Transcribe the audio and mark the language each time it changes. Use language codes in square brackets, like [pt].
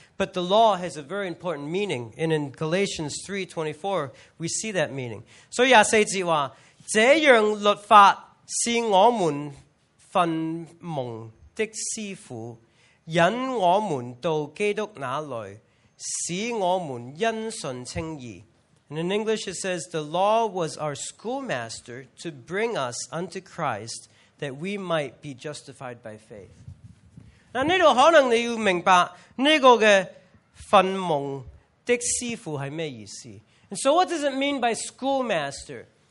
[en] But the law has a very important meaning, and in Galatians 3:24, we see that meaning. [zh] So 24节说， 这样律法是我们坟墓的师傅，引我们到基督那里，使我们因信称义。 [en] And in English it says, the law was our schoolmaster to bring us unto Christ, that we might be justified by faith. [zh] 那这里可能你要明白这个坟墓的师傅是什么意思。 [en] And so what does it mean by schoolmaster?